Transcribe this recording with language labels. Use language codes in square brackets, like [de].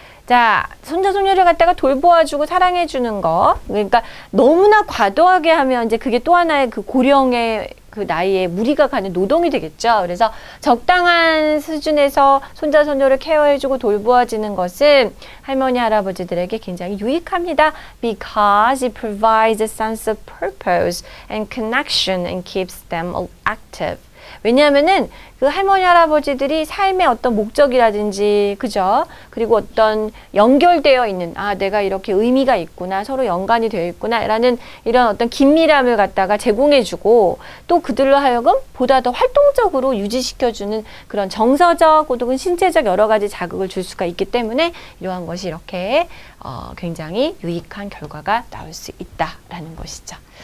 [ko] 자, 손자 손녀를 갖다가 돌보아주고 사랑해 주는 거. 그러니까 너무나 과도하게 하면 이제 그게 또 하나의 그 고령의 그 나이에 무리가 가는 노동이 되겠죠. 그래서 적당한 수준에서 손자, 손녀를 케어해주고 돌보아지는 것은 할머니, 할아버지들에게 굉장히 유익합니다. [en] Because it provides a sense of purpose and connection and keeps them active. [ko] 왜냐하면은 그 할머니, 할아버지들이 삶의 어떤 목적이라든지, 그죠? 그리고 어떤 연결되어 있는, 아, 내가 이렇게 의미가 있구나, 서로 연관이 되어 있구나, 라는 이런 어떤 긴밀함을 갖다가 제공해주고, 또 그들로 하여금 보다 더 활동적으로 유지시켜주는 그런 정서적, 혹은 신체적 여러 가지 자극을 줄 수가 있기 때문에 이러한 것이 이렇게, 굉장히 유익한 결과가 나올 수 있다라는 것이죠.